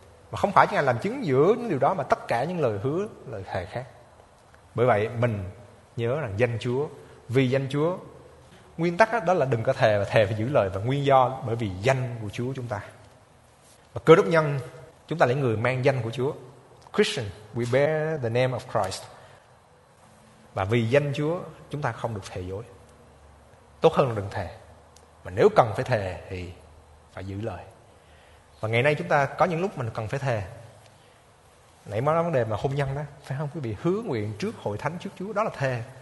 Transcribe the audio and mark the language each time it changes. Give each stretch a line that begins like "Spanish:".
Vietnamese: Mà không phải chỉ là làm chứng giữa những điều đó mà tất cả những lời hứa, lời thề khác. Bởi vậy mình nhớ rằng danh Chúa, vì danh Chúa. Nguyên tắc đó là đừng có thề, và thề phải giữ lời. Và nguyên do bởi vì danh của Chúa chúng ta. Và cơ đốc nhân, chúng ta là người mang danh của Chúa.
English: Christian, we bear the name of Christ.
Vietnamese: Và vì danh Chúa, chúng ta không được thề dối. Tốt hơn là đừng thề. Mà nếu cần phải thề thì phải giữ lời. Và ngày nay chúng ta có những lúc mình cần phải thề. Nãy mới nói vấn đề mà hôn nhân đó, phải không quý vị? Hứa nguyện trước hội thánh, trước Chúa, đó là thề.